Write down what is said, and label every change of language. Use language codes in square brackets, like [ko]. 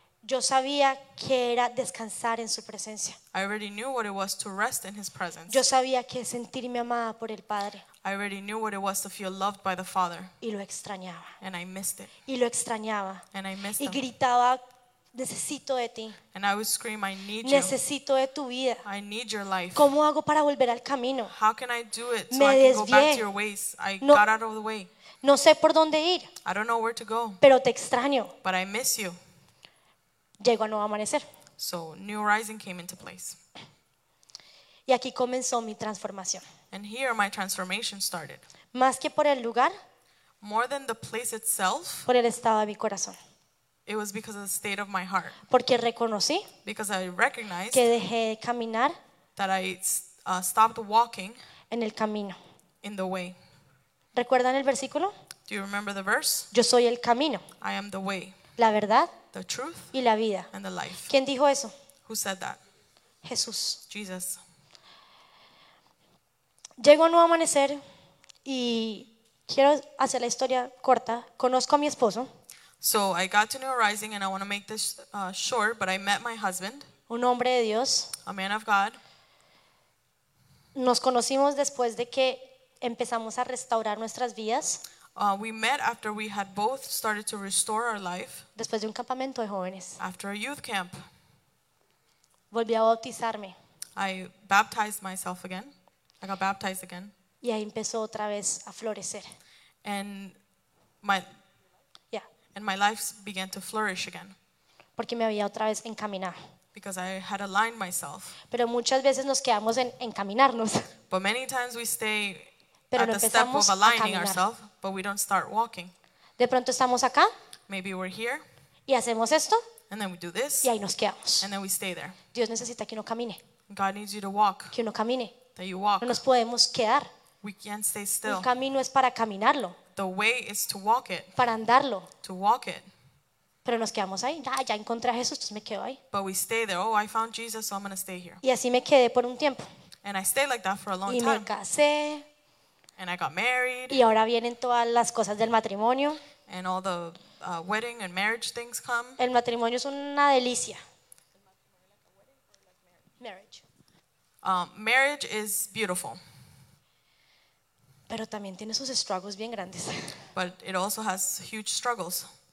[es] Yo sabía que era descansar en su presencia. [en] I already knew what it was to rest in his presence. [es] Yo sabía que sentirme amada por el Padre. [en] I already knew what it was to feel loved by the Father. [es] Y lo extrañaba. [en] And I missed it. [es] Y lo extrañaba. [en] And I missed it. [es] Y gritaba, necesito de ti. [en] And I would scream, I need you. [es] Necesito de tu vida. [en] I need your life. [es] ¿Cómo hago para volver al camino? [en] How can I do it so [es] me [en] I [es] desvié. [en] Can go back to your ways? I no, got out of the way. [es] No sé por dónde ir. [en] I don't know where to go. [es] Pero te extraño. [en] But I miss you. [es] Llegó a nuevo amanecer. [en] So new rising came into place. [es] Y aquí comenzó mi transformación. [en] And here my transformation started. [es] Más que por el lugar. [en] More than the place itself. [es] Por el estado de mi corazón. [en] It was because of the state of my heart. [es] Porque reconocí. [en] Because I recognized. [es] Que dejé de caminar. [en] That I stopped walking. [es] En el camino. [en] In the way. [es] ¿Recuerdan el versículo? [en] Do you remember the verse? [es] Yo soy el camino. [en] I am the way. [es] La verdad. [en] The truth. [es] Y la vida. [en] And the life. [es] ¿Quién dijo eso? [en] Who said that? [es] Jesús. [en] Jesus. [es] Llego a nuevo amanecer y quiero hacer la historia corta. Conozco a mi esposo. [en] So I got to New Rising and I want to make this short, but I met my husband. [es] Un hombre de Dios. [en] A man of God. [es] Nos conocimos después de que empezamos a restaurar nuestras vidas. [en] We met after we had both started to restore our life. [es] Después de un campamento de jóvenes. [en] After a youth camp. [es] Volví a bautizarme. [en] I baptized myself again. I got baptized again. [es] Y ahí empezó otra vez a florecer. [en] And my life began to flourish again. [es] Porque me había otra vez encaminado. [en] Because I had aligned myself. [es] Pero muchas veces nos quedamos en encaminarnos. [en] But many times we stay [es] pero [en] at [es] no [en] the step of aligning [es] a [en] ourselves, but we don't start walking. [es] De pronto estamos acá. [en] Maybe we're here. [es] Y hacemos esto. [en] And then we do this. [es] Y ahí nos quedamos. [en] And then we stay there. [es] Dios necesita que uno camine. [en] God needs you to walk. [es] Que uno camine. [en] That you walk. [es] No nos podemos quedar. [en] We can't stay still. [es] El camino es para caminarlo. [en] The way is to walk it. [es] Para andarlo. [en] To walk it. [es] Pero nos quedamos ahí. Ah, ya encontré a Jesús, entonces me quedo ahí. [en] But we stay there. Oh, I found Jesus, so I'm going to stay here. [es] Y así me quedé por un tiempo. [en] And I stayed like that for a long time. [es] Y me casé. [en] And I got married. [es] Y ahora vienen todas las cosas del matrimonio. [en] And all the wedding and marriage things come. [es] El matrimonio es una delicia. [en] Marriage. Marriage is beautiful. [es] Pero también tiene sus struggles bien grandes. [en] But it also has huge struggles.